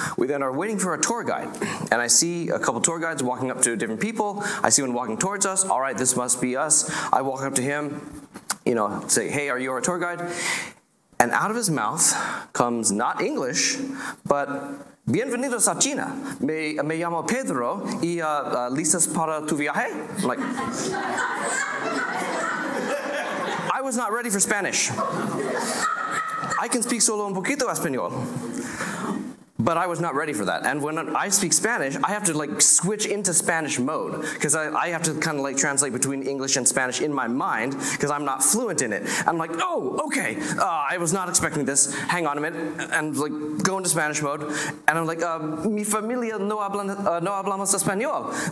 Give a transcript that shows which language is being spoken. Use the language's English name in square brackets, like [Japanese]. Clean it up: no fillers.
[English] We then are waiting for a tour guide. And I see a couple tour guides walking up to different people. I see one walking towards us. All right, this must be us. I walk up to him, you know, say, hey, are you our tour guide? And out of his mouth comes not English, but [Spanish] bienvenidos a China. Me llamo Pedro y listas para tu viaje? [English] I'm like, I was not ready for Spanish. I can speak [Spanish] solo un poquito español, [English] but I was not ready for that. And when I speak Spanish, I have to like switch into Spanish mode because I have to kind of like translate between English and Spanish in my mind because I'm not fluent in it. I'm like, oh, okay. I was not expecting this. Hang on a minute, and like go into Spanish mode. [Spanish] And [English] I'm like, [Spanish] mi familia no hablamos español.